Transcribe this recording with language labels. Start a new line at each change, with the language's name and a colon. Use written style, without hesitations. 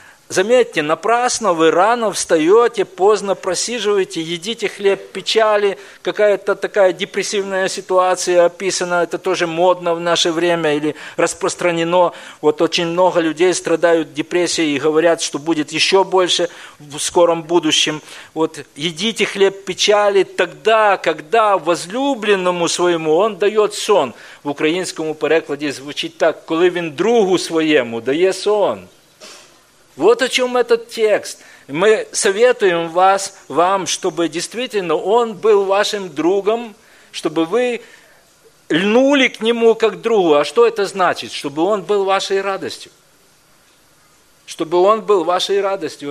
Russian: Заметьте, напрасно вы рано встаете, поздно просиживаете, едите хлеб печали, какая-то такая депрессивная ситуация описана, это тоже модно в наше время или распространено. Вот очень много людей страдают депрессией и говорят, что будет еще больше в скором будущем. Вот едите хлеб печали тогда, когда возлюбленному своему он дает сон.
Ukrainian: В украинском перекладі звучить так, коли він другу своєму дає сон.
Russian: Вот о чем этот текст. Мы советуем вам, чтобы действительно он был вашим другом, чтобы вы льнули к нему как другу. А что это значит? Чтобы он был вашей радостью. Чтобы он был вашей радостью.